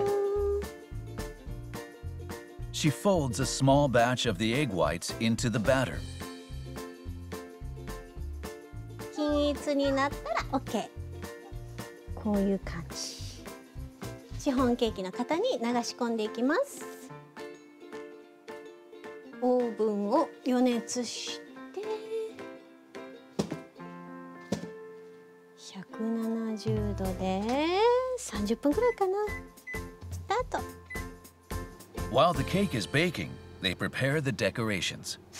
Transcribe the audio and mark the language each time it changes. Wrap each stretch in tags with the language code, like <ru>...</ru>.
<ja>艶のある、しっかり角の立ったメレンゲができました。She</ja> <en>folds a small batch of the egg whites into the batter.</en> <ja>均一になったら、OK。こういう感じ。シフォンケーキの型に流し込んでいきます。オーブンを予熱して、 170°で30分くらいかな。スタート。</ja> <en>While the cake is baking, they prepare the decorations.</en>